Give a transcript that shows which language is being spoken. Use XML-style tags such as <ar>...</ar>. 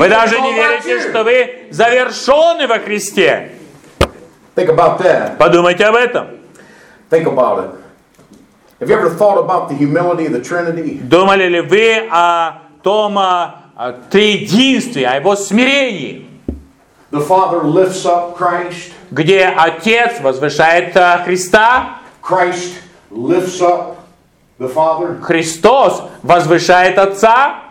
<ru>Вы даже не верите, что вы завершены во Христе.</ru> <en>Think about that.</en> <ru>Подумайте об этом.</ru> <en>Think about it. Have you ever thought about the humility of the Trinity?</en> <ru>Думали ли вы о том триединстве, о его смирении?</ru> <en>The Father lifts up Christ.</en> <ru>Где Отец возвышает Христа?</ru> <en>Christ lifts up the Father.</en> <ru>Христос возвышает Отца.</ru>